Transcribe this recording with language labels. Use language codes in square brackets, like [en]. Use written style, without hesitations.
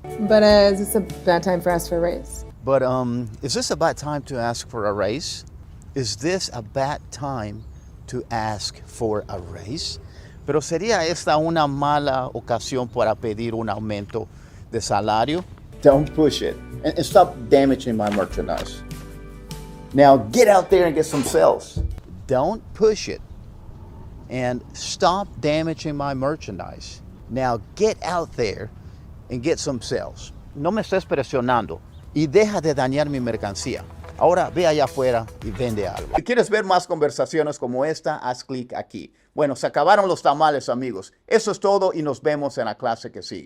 [en] But is this a bad time for us for a raise? But is this a bad time to ask for a raise? Is this a bad time to ask for a raise? [es] Pero sería esta una mala ocasión para pedir un aumento de salario? [en] Don't push it and stop damaging my merchandise. Now get out there and get some sales. Don't push it and stop damaging my merchandise. Now get out there and get some sales. [es] No me estés presionando. Y deja de dañar mi mercancía. Ahora ve allá afuera y vende algo. Si quieres ver más conversaciones como esta, haz clic aquí. Bueno, se acabaron los tamales, amigos. Eso es todo y nos vemos en la clase que sigue.